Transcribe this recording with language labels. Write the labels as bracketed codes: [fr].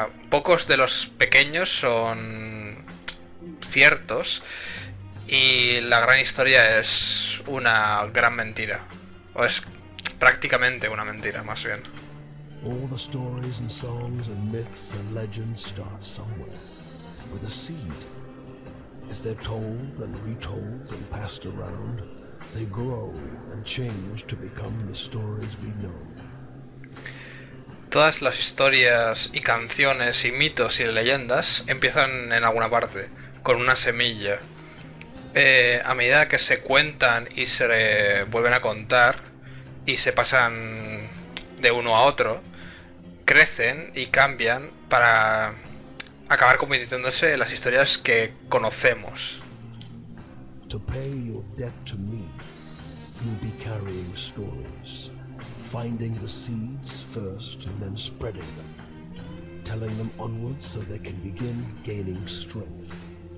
[es] Pocos de los pequeños son ciertos y la gran historia es una gran mentira. O es prácticamente una mentira, más bien. [en] All the stories and songs and myths and legends start somewhere. With a seed. As they're told and retold and passed around, they grow and change to become the stories we know. [es] Todas las historias y canciones y mitos y leyendas empiezan en alguna parte, con una semilla. A medida que se cuentan y se vuelven a contar y se pasan de uno a otro, crecen y cambian para acabar convirtiéndose en las historias que conocemos. [en] To pay your debt to me, you'll be carrying stories, finding the seeds first and then spreading them, telling them onwards so they can begin gaining strength.